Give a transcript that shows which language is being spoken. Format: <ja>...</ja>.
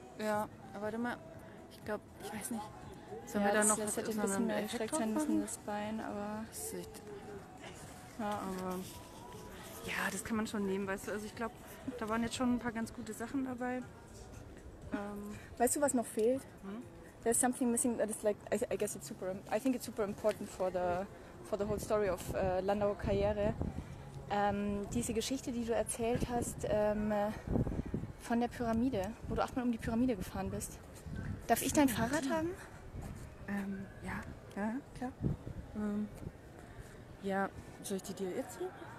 <de>Ja, aber warte mal. Ich glaube, ich weiß nicht. Sollen wir da noch was hätte ein bisschen mehr erschreckt sein müssen, das Bein, aber. Das sieht. Ja, aber. Ja, das kann man schon nehmen, weißt du. Also ich glaube, da waren jetzt schon ein paar ganz gute Sachen dabei. Weißt du, was noch fehlt?</de> <en>There's something missing that is like, I guess it's super, I think it's super important for the whole story of Landauer Karriere.</en> <de>Diese Geschichte, die du erzählt hast, von der Pyramide, wo du achtmal um die Pyramide gefahren bist. Darf ich dein Fahrrad haben? Ja, klar. Ja, soll ich die dir jetzt geben?</de>